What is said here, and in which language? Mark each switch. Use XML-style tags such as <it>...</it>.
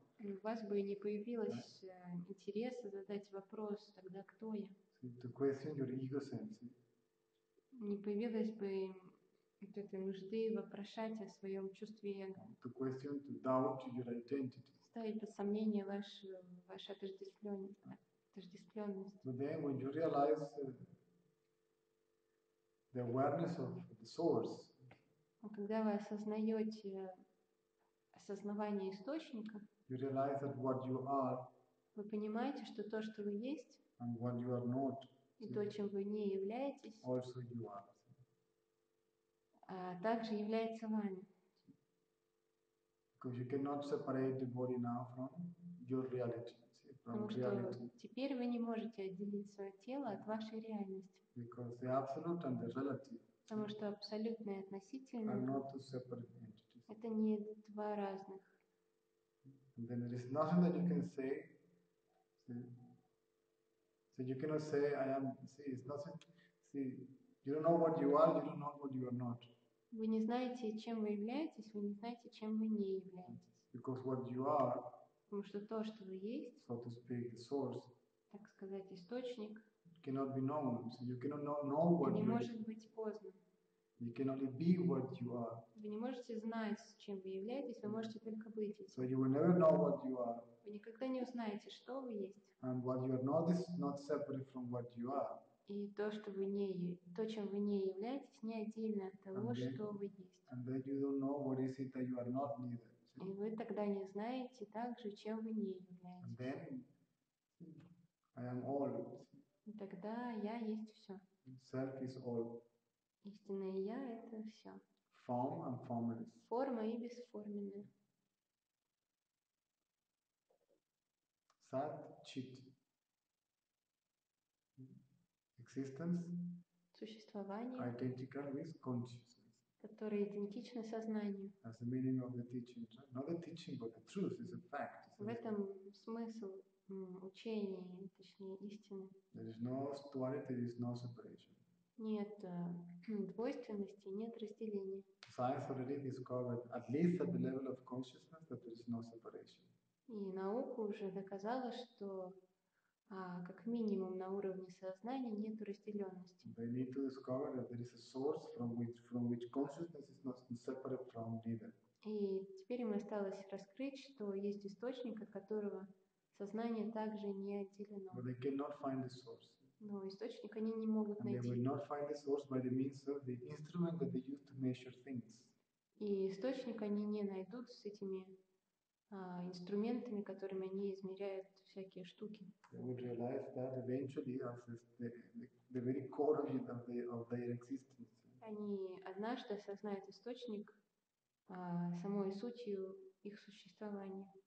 <ru>У вас бы не появилось интереса задать вопрос, тогда кто я?</ru> <en>See, to question your ego sense.</en> <ru>Не появилось бы вот этой нужды вопрошать о своем чувстве эго.</ru> <en>To question, to doubt your identity.</en> <ru>Ставить под сомнение ваше отождествление.</ru> <en>So then, when you realize the awareness of the source,</en> <ru>когда вы осознаете осознавание источника,</ru> <en>you realize that what you are,</en> <ru>вы понимаете, что то, что вы есть,</ru> <en>and what you are not,</en> <ru>и то, чем вы не являетесь,</ru> <en>also you are,</en> <ru>также является вами.</ru> <en>Because you cannot separate the body now from your reality.</en> <ru>Потому что теперь вы не можете отделить свое тело от вашей реальности.</ru> <en>Because the absolute and the relative.</en> <ru>Потому что абсолютное и относительное.</ru> <en>Are not two separate entities.</en> <ru>Это не два разных.</ru> <en>And then there is nothing that you can say. See? So you cannot say I am. See, it's nothing. See, you don't know what you are. You don't know what you are not.</en> <ru>Вы не знаете, чем вы являетесь. Вы не знаете, чем вы не являетесь.</ru> <en>Because what you are.</en> <ru>Потому что то, что вы есть,</ru> <en>so to speak, the source,</en> <ru>так сказать, источник,</ru> <en>cannot be known. So you cannot know what</en> <ru>не</ru> <en>you</en> <ru>может</ru> <en>are.</en> <ru>Быть поздно.</ru> <en>You can only be what you are.</en> <ru>Вы не можете знать, чем вы являетесь, вы можете только быть этим.</ru> <en>So you will never know what you are.</en> <ru>Вы никогда не узнаете, что вы есть.</ru> <en>And what you are not is not separate from what you are.</en> <ru>И то, что вы не, то, чем вы не являетесь, не отдельно от того,</ru> <en>then,</en> <ru>что вы есть.</ru> <en>And then you don't know what is it that you are not neither.</en> <ru>И вы тогда не знаете также, чем вы не являетесь.</ru> <en>And then, I am all.</en> <ru>И тогда я есть все.</ru> <en>Self is all.</en> <ru>Истинное я – это все.</ru> <en>Form and formless.</en> <ru>Форма и бесформенная.</ru> <sa>Sat chit.</sa> <en>Existence.</en> <ru>Существование.</ru> <en>Identical with consciousness.</en> <ru>Которые идентичны сознанию.</ru> <en>That's the meaning of the teaching. Not the teaching, but the truth is a fact.</en> <ru>В этом смысл учения, точнее истины.</ru> <en>There is no duality, there is no separation.</en> <ru>Нет двойственности, нет разделения.</ru> <en>Science already discovered, at least at the level of consciousness, that there is no separation.</en> <ru>И наука уже доказала, что как минимум на уровне сознания нету разделенности.</ru> <en>They need to discover that there is a source from which consciousness is not separate from neither.</en> <ru>И теперь им осталось раскрыть, что есть источник, от которого сознание также не отделено.</ru> <en>But they cannot find the source.</en> <ru>Но источник они не могут найти.</ru> <en>They will not find the source by the means of the instrument that they use to measure things.</en> <ru>И источник они не найдут с этими инструментами, которыми они измеряют всякие штуки.</ru> <en>They would realize that eventually as the very core of it, of their existence.</en> <ru>Они однажды осознают источник самой сутью их существования.</ru>